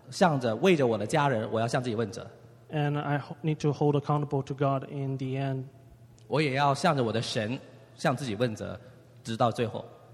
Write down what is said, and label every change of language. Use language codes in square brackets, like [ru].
[zh] 但是我个人的实在是看这个事情，就是说我必须自己向自己问责，向着为着我的家人，我要向自己问责。 [en] And I need to hold accountable to God in the end. [zh] 我也要向着我的神，向自己问责，直到最后。